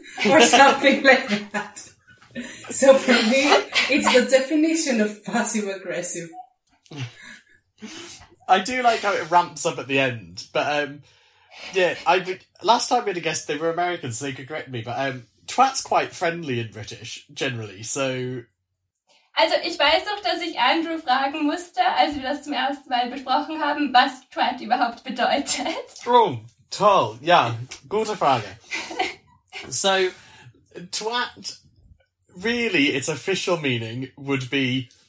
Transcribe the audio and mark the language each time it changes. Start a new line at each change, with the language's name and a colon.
English: Or something like that. So for me, it's the definition of passive-aggressive. I do like how it ramps up at the end, but last time we had a guest, they were Americans, so they could correct me, but twat's quite friendly in British, generally, so...
German: Also, ich weiß doch, dass ich Andrew fragen musste, als wir das zum ersten Mal besprochen haben, was twat überhaupt bedeutet. Oh, toll, ja, gute Frage.
English: So, twat, really, its official meaning would be...